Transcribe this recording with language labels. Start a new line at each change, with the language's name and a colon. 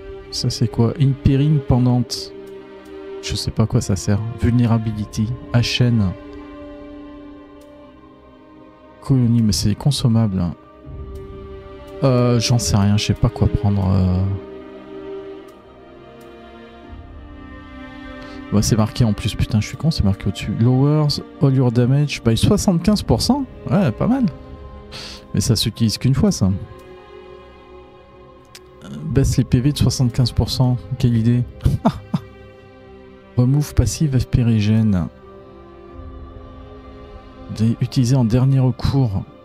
French: Ça, c'est quoi? Impairing Pendant. Je sais pas à quoi ça sert. Vulnerability. HN. Colonie, mais c'est consommable. J'en sais rien, je sais pas quoi prendre. Bah, c'est marqué en plus, putain, je suis con, c'est marqué au-dessus.
English: Lowers all your damage by 75%.
French: Ouais, pas mal. Mais ça s'utilise qu'une fois, ça. Baisse les PV de 75%. Quelle idée.
English: Remove passive FP Regen.
French: Utilisé en dernier recours.